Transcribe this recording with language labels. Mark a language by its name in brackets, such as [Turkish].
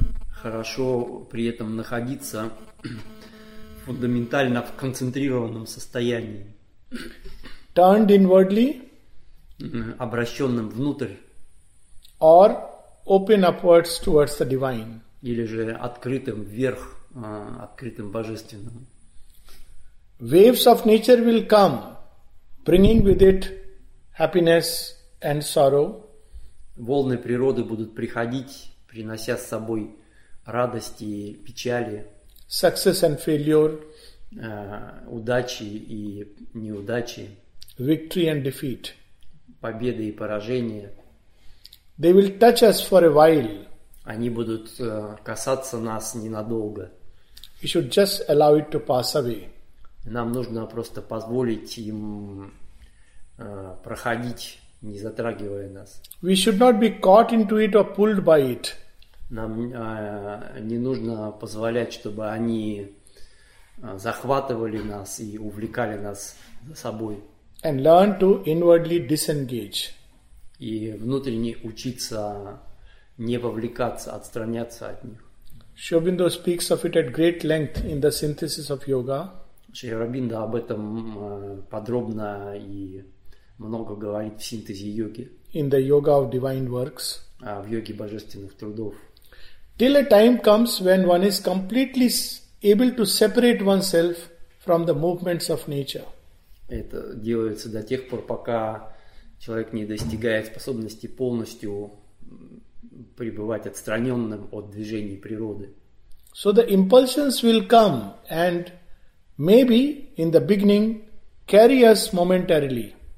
[Russian] Хорошо при этом находиться фундаментально в концентрированном состоянии. [English] Turned inwardly, [Russian] обращенным внутрь. [English] Or open upwards towards the divine. [Russian] Или же открытым вверх, открытым божественным. [English] Waves of nature will come, bringing with it happiness and sorrow. [Russian] Волны природы будут приходить, принося с собой радости и печали. [English] Success and failure. [Russian] Удачи и неудачи. [English] Victory and defeat. [Russian] Победы и поражения. [English] They will touch us for a while. [Russian] Они будут касаться нас ненадолго. [English] We should just allow it to pass away. [Russian] Нам нужно просто позволить им проходить, не затрагивая нас. [English] We should not be caught into it or pulled by it. [Russian] Нам не нужно позволять, чтобы они захватывали нас и увлекали нас за собой. [English] And learn to inwardly disengage. [Russian] И внутренне учиться не вовлекаться, отстраняться от них. [English] Шри Аурбиндо speaks of it at great length in the synthesis of yoga. [Russian] Шри Аурбиндо об этом подробно и много говорит в синтезе йоги. [English] In the yoga of divine works. [Russian] В йоге божественных трудов. [English] Till a time comes when one is completely able to separate oneself from the movements of nature. [Russian] Это делается до тех пор, пока человек не достигает способности полностью пребывать отстраненным от движений природы. [English] So the impulsions will come and maybe in the beginning carry us momentarily.